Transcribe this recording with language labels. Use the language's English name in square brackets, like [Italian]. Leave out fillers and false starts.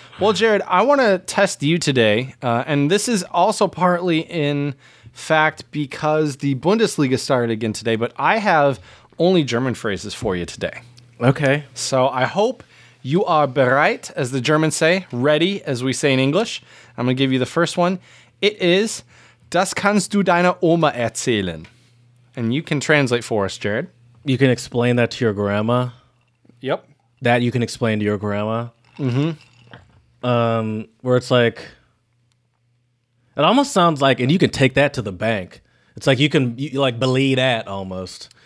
[English] Well, Jared, I want to test you today, and this is also partly in fact because the Bundesliga started again today, but I have only German phrases for you today. Okay. So I hope you are bereit, as the Germans say, ready, as we say in English. I'm going to give you the first one. [German] It is, das kannst du deiner Oma erzählen. [English] And you can translate for us, Jared. You can explain that to your grandma. Yep. That you can explain to your grandma. Mm-hmm. Where it's like, it almost sounds like, and you can take that to the bank. It's like you can you like believe that almost.